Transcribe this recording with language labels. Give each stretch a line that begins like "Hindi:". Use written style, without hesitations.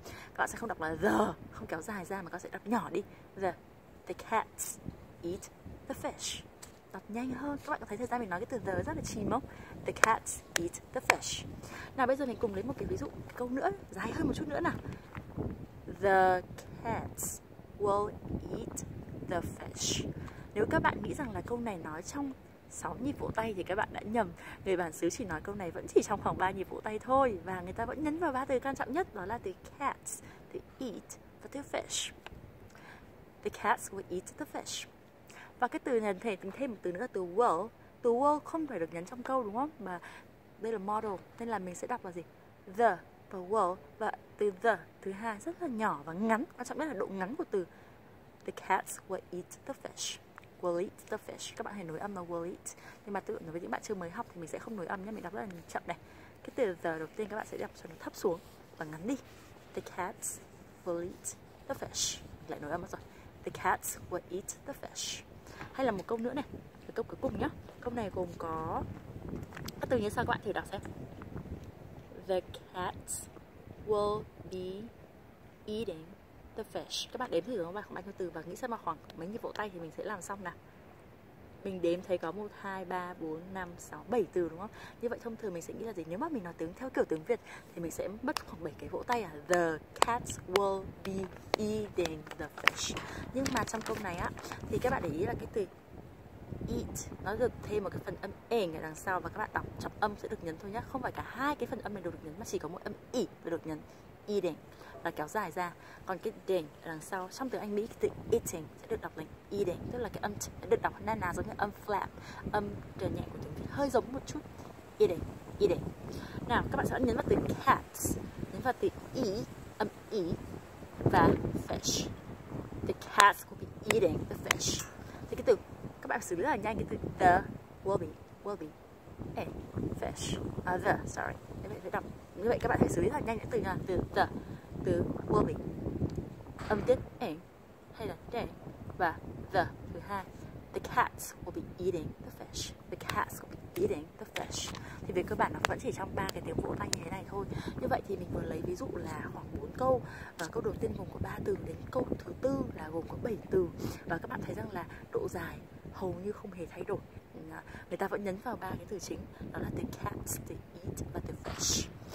Vietnamese: Các bạn sẽ không đọc là the, không kéo dài ra, mà các bạn sẽ đọc nhỏ đi.
English: The cats eat the fish.
Vietnamese: Đọc nhanh hơn, các bạn có thấy thời gian mình nói cái từ the rất là chìm không?
English: The cats eat the fish.
Vietnamese: Nào bây giờ mình cùng lấy một cái ví dụ câu nữa, dài hơn một chút nữa nào.
English: The cats will eat the fish.
Vietnamese: Nếu các bạn nghĩ rằng là câu này nói trong 6 nhịp vỗ tay thì các bạn đã nhầm. Người bản xứ chỉ nói câu này vẫn chỉ trong khoảng 3 nhịp vỗ tay thôi, và người ta vẫn nhấn vào ba từ quan trọng nhất, đó là từ cats, từ eat và từ fish.
English: The cats will eat the fish.
Vietnamese: Và cái từ này thể thêm một từ nữa là từ will. Từ will không phải được nhấn trong câu đúng không? Mà đây là model, nên là mình sẽ đọc là gì? The và will. Và từ the thứ hai rất là nhỏ và ngắn, quan trọng nhất là độ ngắn của từ.
English: The cats will eat the fish. Will eat the fish.
Vietnamese: Các bạn hãy nối âm là will eat. Nhưng mà tự nhiên với những bạn chưa mới học thì mình sẽ không nối âm nhé. Mình đọc rất là chậm này. Cái từ the đầu tiên các bạn sẽ đọc cho nó thấp xuống và ngắn đi.
English: The cats will eat the fish.
Vietnamese: Lại nối âm rồi.
English: The cats will eat the fish.
Vietnamese: Hay là một câu nữa này, một câu cuối cùng nhá. Câu này gồm có các từ như sau, các bạn thử đọc xem.
English: The cats will be eating the fish.
Vietnamese: Các bạn đếm thử không? Bạn nhiêu từ và nghĩ xem mà khoảng mấy nhịp vỗ tay thì mình sẽ làm xong nào. Mình đếm thấy có 1, 2, 3, 4, 5, 6, 7 từ đúng không? Như vậy thông thường mình sẽ nghĩ là gì? Nếu mà mình nói tiếng theo kiểu tiếng Việt thì mình sẽ mất khoảng 7 cái vỗ tay à.
English: The cats will be eating the fish.
Vietnamese: Nhưng mà trong câu này á, thì các bạn để ý là cái từ eat nó được thêm một cái phần âm ng ở đằng sau, và các bạn đọc trọng âm sẽ được nhấn thôi nhá. Không phải cả hai cái phần âm này đều được nhấn, mà chỉ có một âm i được nhấn. Eating là kéo dài ra. Còn cái ding ở đằng sau, trong tiếng Anh Mỹ từ eating sẽ được đọc là eating, tức là cái âm được đọc na ná giống như âm flap, âm trời nhẹ của tiếng Việt, hơi giống một chút. Eating, eating. Nào các bạn sẽ nhấn vào từ cats, nhấn vào từ e, âm e, và fish.
English: The cats will be eating the fish.
Vietnamese: Thì cái từ các các bạn xử lý rất là nhanh cái từ the will be a fish the sorry các bạn phải đọc như vậy, các bạn phải xử lý rất là nhanh những từ nha, từ the, từ will be, âm tiết a hay là the, và the thứ hai.
English: The cats will be eating the fish. The cats will be eating the fish.
Vietnamese: Thì về cơ bản nó vẫn chỉ trong ba cái tiếng vỗ tay như thế này thôi. Như vậy thì mình vừa lấy ví dụ là khoảng 4 câu. Và câu đầu tiên gồm có 3 từ đến câu thứ 4 là gồm có 7 từ. Và các bạn thấy rằng là độ dài hầu như không hề thay đổi. Người ta vẫn nhấn vào ba cái từ chính, đó là the cats, the eat và the fish.